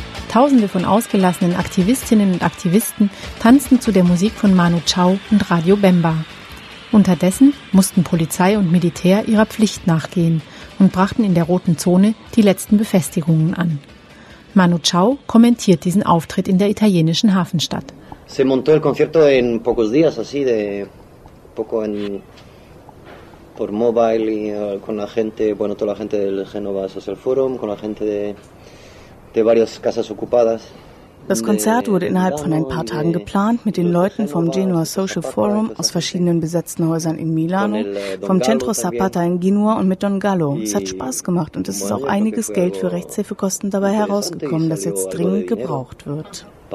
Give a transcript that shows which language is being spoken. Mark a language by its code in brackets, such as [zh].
[de] Tausende von ausgelassenen Aktivistinnen und Aktivisten tanzten zu der Musik von Manu Chao und Radio Bemba. Unterdessen mussten Polizei und Militär ihrer Pflicht nachgehen und brachten in der roten Zone die letzten Befestigungen an. Manu Chao kommentiert diesen Auftritt in der italienischen Hafenstadt. [es] Se montó el concierto en pocos días, así de poco en por mobile y con la gente, bueno, toda la gente del Genova Social Forum, con la gente de varias casas ocupadas. [de] Das Konzert wurde innerhalb von ein paar Tagen geplant mit den Leuten vom Genua Social Forum aus verschiedenen besetzten Häusern in Milano, vom Centro Zapata in Genua und mit Don Gallo. Es hat Spaß gemacht und es ist auch einiges Geld für Rechtshilfekosten dabei herausgekommen, das jetzt dringend gebraucht wird.